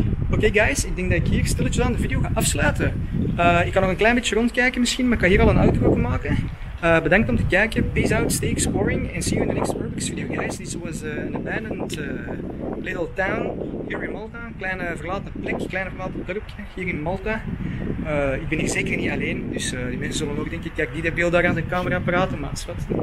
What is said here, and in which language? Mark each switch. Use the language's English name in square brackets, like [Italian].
[Dutch] Oké, guys, ik denk dat ik hier stilletjes aan de video ga afsluiten. Ik kan nog een klein beetje rondkijken misschien, maar ik ga hier al een outro van maken. Bedankt om te kijken. [English] Peace out, stay exploring. And see you in the next Urbex video, guys. This was an abandoned little town here in Malta. [Dutch] Een kleine verlaten plek, een kleine verlaten dorpje hier in Malta. Ik ben hier zeker niet alleen, dus die mensen zullen ook denken, kijk, die de beeld daar aan de camera praten, maar schat.